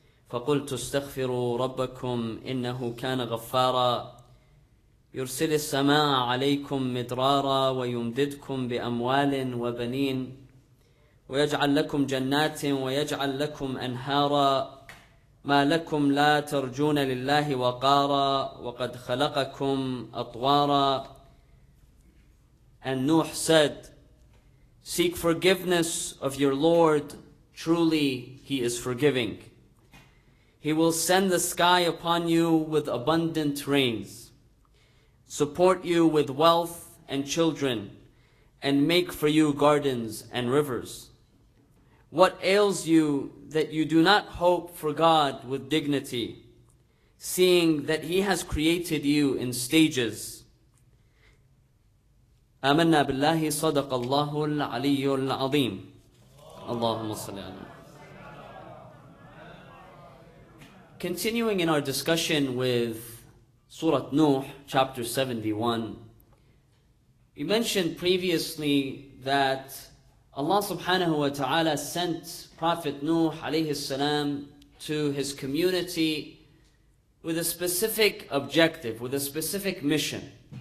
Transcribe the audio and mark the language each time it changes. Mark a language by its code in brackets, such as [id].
[ar] فقلت استغفروا ربكم إنه كان غفارا يرسل السماء عليكم مدرارا ويمددكم بأموال وبنين ويجعل لكم جنات ويجعل لكم أنهارا ما لكم لا ترجون لله وقارا وقد خلقكم أطوارا. [en] And Nuh said, seek forgiveness of your Lord, truly He is forgiving. He will send the sky upon you with abundant rains, support you with wealth and children, and make for you gardens and rivers. What ails you that you do not hope for God with dignity, seeing that He has created you in stages? [ar] آمنا بالله صدق الله العلي العظيم. اللهم صل على. [en] Continuing in our discussion with Surah Nuh, chapter 71, we mentioned previously that Allah subhanahu wa ta'ala sent Prophet Nuh alayhi salam to his community with a specific objective, with a specific mission.